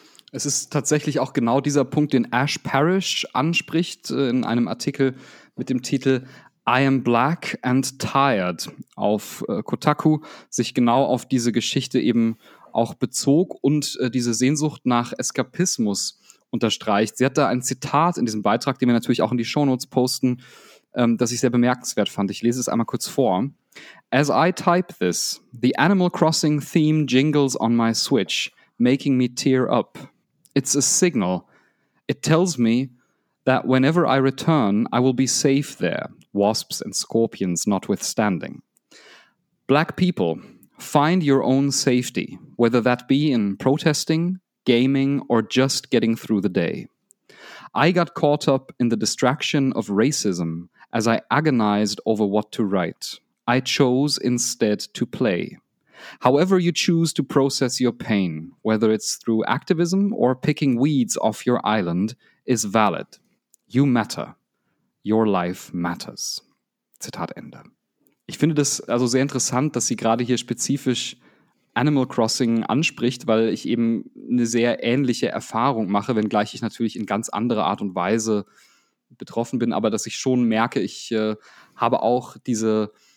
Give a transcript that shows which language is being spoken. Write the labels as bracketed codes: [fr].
[de] Es ist tatsächlich auch genau dieser Punkt, den Ash Parrish anspricht in einem Artikel mit dem Titel I am Black and Tired auf Kotaku, sich genau auf diese Geschichte eben auch bezog und diese Sehnsucht nach Eskapismus unterstreicht. Sie hat da ein Zitat in diesem Beitrag, den wir natürlich auch in die Shownotes posten, das ich sehr bemerkenswert fand. Ich lese es einmal kurz vor. [en] As I type this, the Animal Crossing theme jingles on my Switch, making me tear up. It's a signal. It tells me that whenever I return, I will be safe there, wasps and scorpions notwithstanding. Black people, find your own safety, whether that be in protesting, gaming, or just getting through the day. I got caught up in the distraction of racism as I agonized over what to write. I chose instead to play. However you choose to process your pain, whether it's through activism or picking weeds off your island, is valid. You matter. Your life matters. [de] Zitat Ende. Ich finde das also sehr interessant, dass sie gerade hier spezifisch Animal Crossing anspricht, weil ich eben eine sehr ähnliche Erfahrung mache, wenngleich ich natürlich in ganz andere Art und Weise betroffen bin, aber dass ich schon merke, ich habe auch diese